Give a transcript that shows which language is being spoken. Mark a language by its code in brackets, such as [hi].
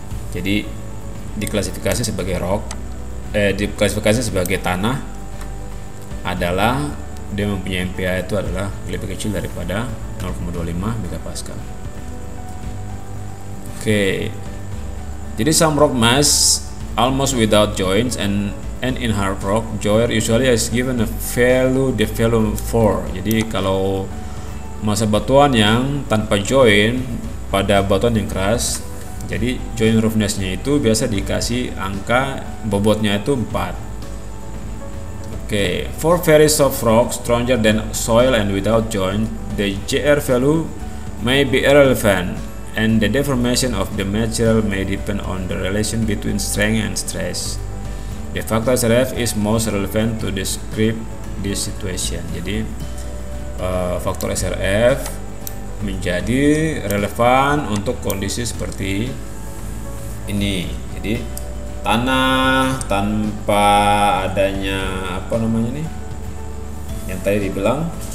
[id] Jadi diklasifikasi sebagai rock, diklasifikasi sebagai tanah adalah dia mempunyai MPI itu adalah lebih kecil daripada 0,25 megapascal. Oke. Jadi [en] some rock mass almost without joints and in hard rock joint usually is given a value the value 4. [id] Jadi kalau massa batuan yang tanpa join pada batuan yang keras, jadi joint roughness-nya itu biasa dikasih angka bobotnya itu 4. [en] Oke, for very soft rock stronger than soil and without joint, the JR value may be irrelevant and the deformation of the material may depend on the relation between strength and stress. The factor SRF is most relevant to describe this situation. [id] Jadi faktor SRF menjadi relevan untuk kondisi seperti ini. Jadi tanah tanpa adanya apa namanya ini yang tadi dibilang